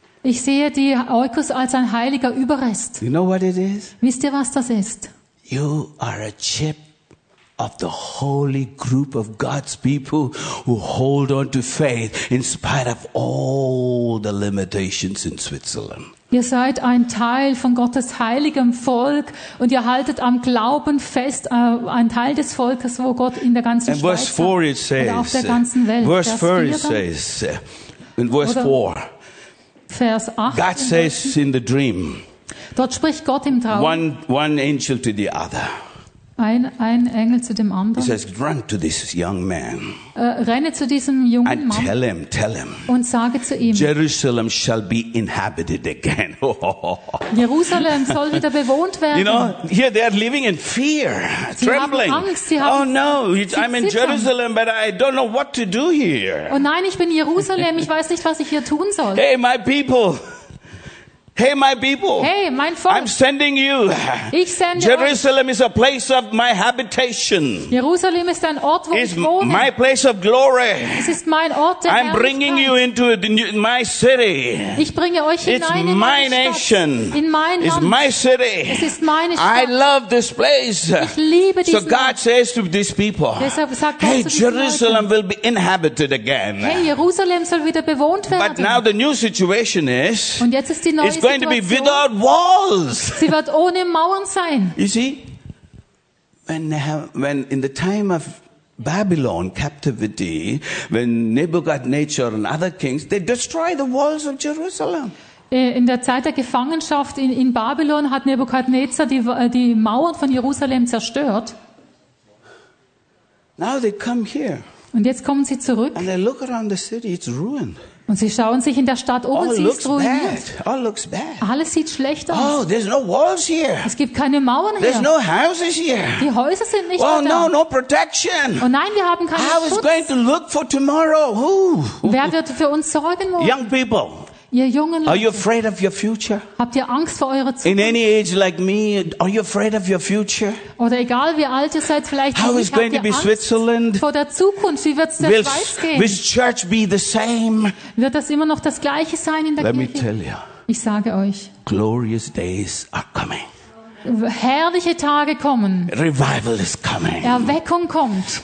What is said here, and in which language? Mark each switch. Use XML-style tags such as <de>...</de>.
<de>Ich sehe die Oikos als ein heiliger Überrest.</de> <en>You know what it is?</en> <de>Wisst ihr, was das ist?</de> <en>You are a chip of the holy group of God's people who hold on to faith in spite of all the limitations in Switzerland.</en> <de>Ihr seid ein Teil von Gottes heiligem Volk und ihr haltet am Glauben fest, ein Teil des Volkes, wo Gott in der ganzen</de> <en>and</en> <de>Schweiz</de> <en>four it says,</en> <de>und auf der ganzen Welt.</de> <en>Verse 4 it says, in verse 4,</en> <de>Vers 8,</de> <en>God says in the dream,</en> <de>dort spricht Gott im Traum,</de> <en>one angel to the other.</en> <de>Ein Engel zu dem anderen.</de> <en>He says, run to this young man.</en> <de>Renne zu diesem jungen Mann.</de> <en>And tell him.</en> <de>Und sage zu ihm.</de> <en>Jerusalem shall be inhabited again.</en> <de>Jerusalem soll wieder bewohnt werden.</de> <en>You know, here they are living in fear,</en> <de>sie</de> <en>trembling.</en> <de>Haben Angst, sie haben</de> <en>oh no, I'm</en> <de>zittern.</de> <en>In Jerusalem, but I don't know what to do here.</en> <de>Oh nein, ich bin Jerusalem, ich weiß nicht, was ich hier tun soll.</de> <en>Hey, my people. Hey, my people.</en> <de>Hey, mein Volk.</de> <en>I'm sending you.</en> <de>Ich sende</de> <en>Jerusalem is a place of my habitation.</en> <de>Jerusalem ist ein Ort, wo</de> <en>it's</en> <de>ich wohne.</de> <en>My place of glory.</en> <de>Es ist mein Ort der</de> <en>I'm bringing you into my city.</en> <de>Ich bringe euch hinein</de> <en>it's</en> <de>in</de> <en>my</en> <de>meine</de> <en>nation.</en> <de>Stadt. In mein</de> <en>it's my city.</en> <de>Es ist meine Stadt.</de> <en>I love this place.</en> <de>Ich liebe</de> <en>so God says to these people, hey, Jerusalem will be inhabited again.</en> <de>Hey, Jerusalem soll wieder bewohnt werden.</de> <en>But now the new situation is,</en> <de>und jetzt ist die neue</de> <en>it's going to be without walls.</en> <de>Sie wird ohne Mauern sein.</de> <en>You see, when in the time of Babylon captivity, when Nebuchadnezzar and other kings, they destroy the walls of Jerusalem.</en> <de>In der Zeit der Gefangenschaft in Babylon hat Nebuchadnezzar die Mauern von Jerusalem zerstört.</de> <en>Now they come here.</en> <de>Und jetzt kommen sie zurück.</de> <en>And they look around the city, it's ruined.</en> <de>Und sie schauen sich in der Stadt um und sie ist ruiniert.</de> <en>All looks bad.</en> <de>Alles sieht schlecht aus.</de> <en>Oh, there's no walls here.</en> <de>Es gibt keine Mauern</de> <en>there's</en> <de>hier.</de> <en>No houses here.</en> <de>Die Häuser sind nicht</de> <en>well,</en> <de>da.</de> <en>No, no protection.</en> <de>Oh nein, wir haben keinen</de> <en>how</en> <de>Schutz.</de> <en>Is going to look for tomorrow? Who?</en> <de>Wer wird für uns sorgen morgen?</de> <en>Young people.</en> <de>Ihr jungen Leute.</de> <en>Are you afraid of your future?</en> <de>Habt ihr Angst vor eure Zukunft?</de> <en>In any age like me, are you afraid of your future?</en> <de>Oder egal wie alt ihr seid, vielleicht</de> <en>how is going to be Switzerland?</en> <de>Vor der Zukunft, wie wird's der Schweiz gehen?</de> <en>Will church be the same?</en> <de>Wird das immer noch das gleiche sein in der</de> <en>let Me tell you,</en> <de>ich sage euch.</de> <en>Glorious days are coming.</en> <de>Herrliche Tage kommen.</de> <en>Revival is coming.</en> <de>Erweckung kommt.</de>